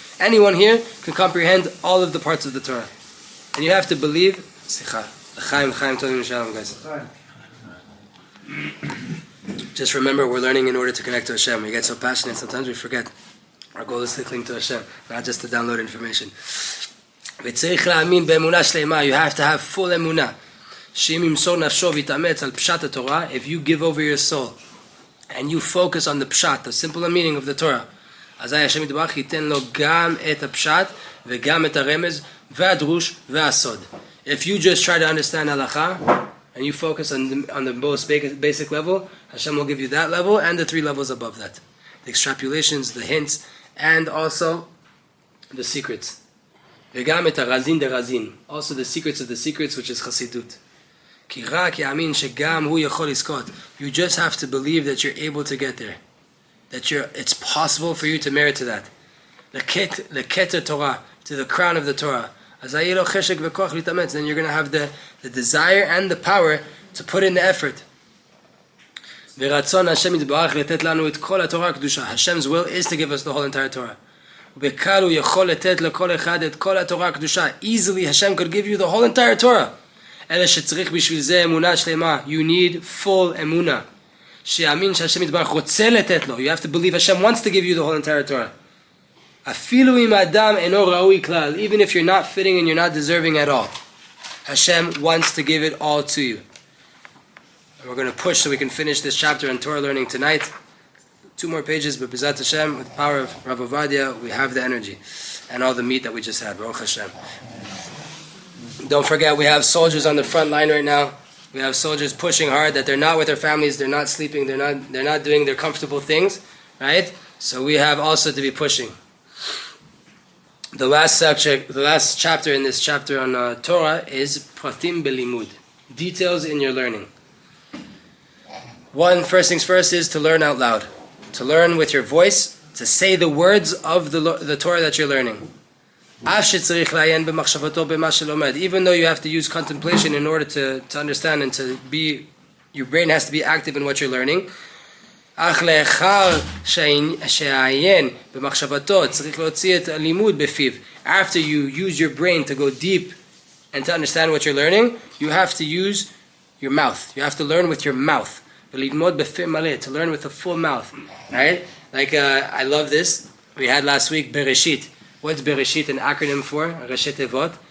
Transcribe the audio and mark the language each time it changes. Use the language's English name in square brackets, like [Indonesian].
[English] Anyone here can comprehend all of the parts of the Torah. And you have to believe, [Hebrew] סליחה, לחיים, לחיים, תודה ושלום, [English] guys. Just remember, we're learning in order to connect to Hashem. We get so passionate, sometimes we forget. Our goal is to cling to Hashem, not just to download information. [Hebrew] וצריך להאמין באמונה שלמה, [English] you have to have full [Hebrew] אמונה, שאם ימסור נפשו ויתאמץ על פשט התורה, [English] if you give over your soul, and you focus on the פשט, the simple meaning of the Torah, [Hebrew] אזי השם יתברך ייתן לו גם את הפשט, וגם את הרמז, והדרוש והסוד. [English] If you just try to understand halakha and you focus on the most basic level, Hashem will give you that level and the three levels above that, the extrapolations, the hints, and also the secrets, [Hebrew] וגם את הרזין דרזין, [English] also the secrets of the secrets, which is חסידות. [Hebrew] כי רק יאמין שגם הוא יכול לזכות. [English] You just have to believe that you're able to get there, that it's possible for you to merit to that, [Hebrew] לכתר תורה, [English] to the crown of the Torah. [Hebrew] אז היה לו חשק וכוח להתאמץ, [English] then you're going to have the desire and the power to put in the effort. [Hebrew] ורצון השם יתברך לתת לנו את כל התורה הקדושה. [English] Hashem's will is to give us the whole entire Torah. [Hebrew] ובקל הוא יכול לתת לכל אחד את כל התורה הקדושה. [English] Easily Hashem could give you the whole entire Torah. [Hebrew] אלא שצריך בשביל זה אמונה שלמה. [English] You need full אמונה. [Hebrew] שיאמין שהשם יתברך רוצה לתת לו. [English] You have to believe Hashem wants to give you the whole entire Torah. [Hebrew] אפילו אם האדם אינו ראוי כלל, [English] even if you're not fitting and you're not deserving at all, Hashem wants to give it all to you. And we're going to push so we can finish this chapter on Torah learning tonight. Two more pages, but Bezat Hashem, with the power of Rav Avadia, we have the energy and all the meat that we just had. Baruch Hashem. Don't forget, we have soldiers on the front line right now. We have soldiers pushing hard that they're not with their families, they're not sleeping, they're not doing their comfortable things, right? So we have also to be pushing. The last chapter in this chapter on Torah is Pratim Belimud, details in your learning. One, first things first, is to learn out loud, to learn with your voice, to say the words of the Torah that you're learning. [Hebrew] Af she'tzirich la'yen b'machshavato b'ma she'lomed, [English] even though you have to use contemplation in order to understand and to be, your brain has to be active in what you're learning. [Hebrew] אך לאחר שהעיין במחשבתו צריך להוציא את הלימוד בפיו. [English] After you use your brain to go deep and to understand what you're learning, you have to use your mouth. You have to learn with your mouth. [Hebrew] ולדמוד בפה מלא, [English] to learn with a full mouth, right? Like, I love this. We had last week, Bereshit. What's Bereshit an acronym for? Reshet Tevot.